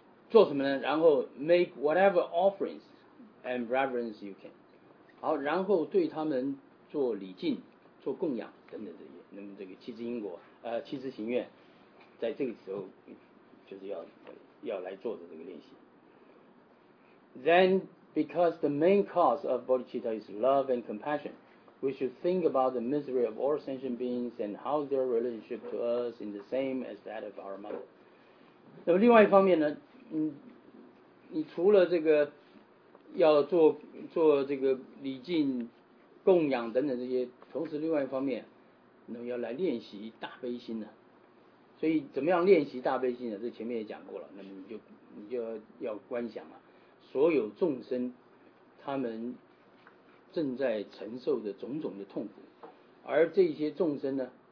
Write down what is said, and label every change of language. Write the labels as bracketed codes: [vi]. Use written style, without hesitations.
[zh] 做什么呢？然后 [en] make whatever offerings and reverence you can， [zh] 好，然后对他们做礼敬、做供养等等这些。那么这个七支因果，七支行愿，在这个时候就是要来做的这个练习。 [en] Then because the main cause of bodhicitta is love and compassion, we should think about the misery of all sentient beings and how their relationship to us is the same as that of our mother. [zh] 那么另外一方面呢？你除了这个要做这个礼敬供养等等这些，同时另外一方面那么要来练习大悲心呢、啊、所以怎么样练习大悲心呢、啊、这前面也讲过了，那么你就要观想啊，所有众生他们正在承受的种种的痛苦，而这些众生呢